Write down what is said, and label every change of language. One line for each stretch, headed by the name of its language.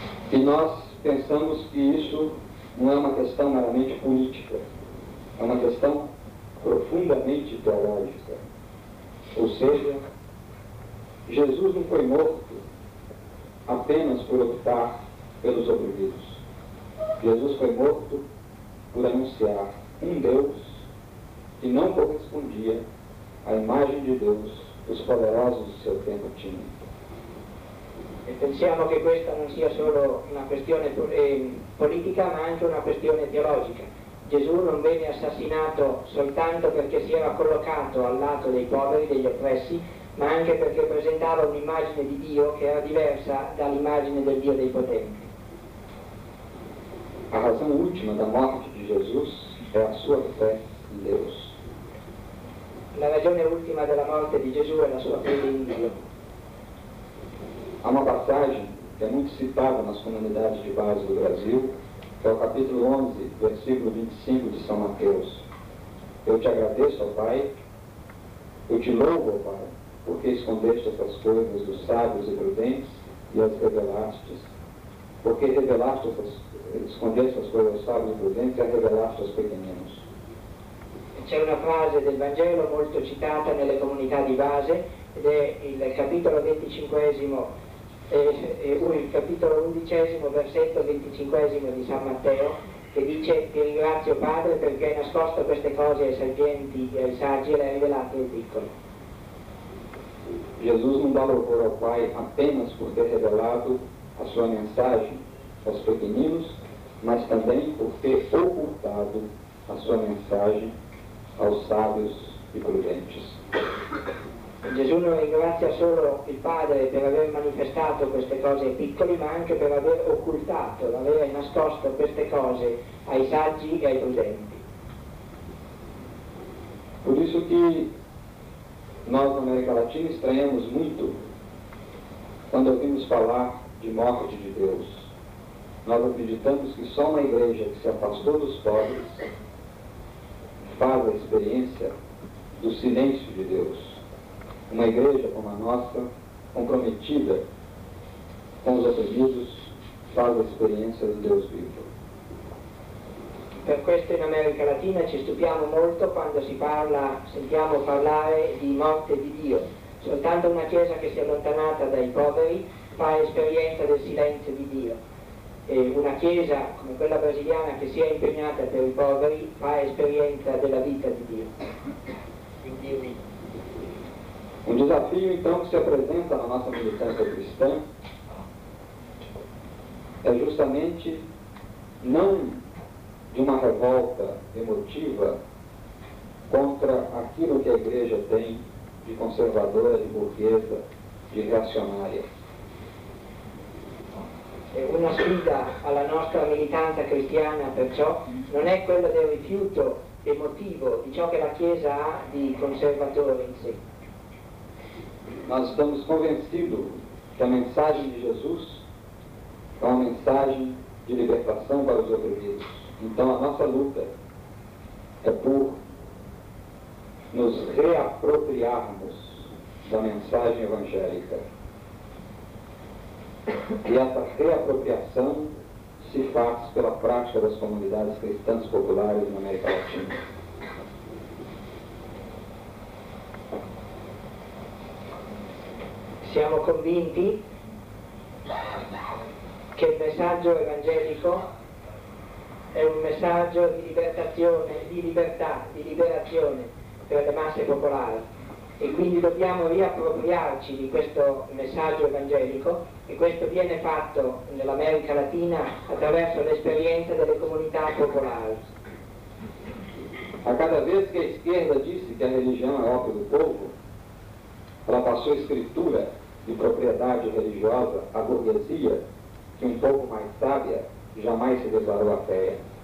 Italian: E noi pensiamo che questo non è una questione meramente politica, è una questione profondamente teologica.
Portuguese: Ou seja, Jesus não foi morto apenas por optar pelos oprimidos. Jesus foi morto por anunciar um Deus que não correspondia à imagem de Deus que os poderosos do seu tempo tinham.
Italian: E pensiamo che questa non sia solo una questione politica, ma anche una questione teologica. Gesù non venne assassinato soltanto perché si era collocato al lato dei poveri, degli oppressi, ma anche perché presentava un'immagine di Dio che era diversa dall'immagine del Dio dei potenti. La ragione ultima della morte di Gesù è la sua fede in Dio. La ragione ultima della morte di Gesù è la sua fede in Dio.
Portuguese: Há uma passagem que é muito citada nas comunidades de base do Brasil, que é o capítulo 11, versículo 25 de São Mateus. Eu te agradeço, ó Pai, eu te louvo, ó Pai, porque escondeste essas coisas dos sábios e prudentes e as revelaste. Porque escondeste as coisas dos sábios e prudentes e as revelaste aos pequeninos.
Italian: C'è una frase del Vangelo molto citata nelle comunità di base, ed è il capitolo 25esimo. Il capitolo 11, versetto 25 di San Matteo, che dice: ti ringrazio Padre perché hai nascosto queste cose ai sapienti e ai saggi e le hai rivelate ai piccoli.
Portuguese: Gesù non dà louvore al Pai apenas por ter revelato la sua mensagem aos pequeninos, ma anche por ter ocultato la sua mensagem aos sábios e prudentes.
Italian: Gesù non ringrazia solo il Padre per aver manifestato queste cose ai piccoli, ma anche per aver occultato, aver nascosto queste cose ai saggi e ai prudenti.
Portuguese: Por isso que nós na América Latina estranhamos muito quando ouvimos falar de morte de Deus. Nós acreditamos que só uma igreja que se afastou dos pobres faz a experiência do silêncio de Deus. Uma igreja como a nossa, comprometida com os oprimidos, faz a experiência do Deus vivo.
Italian: Per questo in America Latina ci stupiamo molto quando sentiamo parlare di morte di Dio. Soltanto una chiesa che si è allontanata dai poveri fa esperienza del silenzio di Dio. E una chiesa come quella brasiliana che si è impegnata per i poveri fa esperienza della vita di Dio.
Portuguese: Um desafio, então, que se apresenta na nossa militância cristã é justamente não de uma revolta emotiva contra aquilo que a igreja tem de conservadora, de burguesa, de reacionária.
Italian: Una sfida alla nostra militanza cristiana, perciò, non è quella del rifiuto emotivo di ciò che la Chiesa ha di conservatore in sé.
Portuguese: Nós estamos convencidos que a mensagem de Jesus é uma mensagem de libertação para os oprimidos. Então a nossa luta é por nos reapropriarmos da mensagem evangélica. E essa reapropriação se faz pela prática das comunidades cristãs populares na América Latina.
Italian: Siamo convinti che il messaggio evangelico è un messaggio di libertazione, di libertà, di liberazione per le masse popolari. e quindi dobbiamo riappropriarci di questo messaggio evangelico, e questo viene fatto nell'America Latina attraverso l'esperienza delle comunità popolari.
Portuguese: A cada vez que a esquerda disse que a religião é obra do povo, ela passou a escritura de propriedade religiosa à burguesia, que um pouco mais sábia jamais se declarou ateia.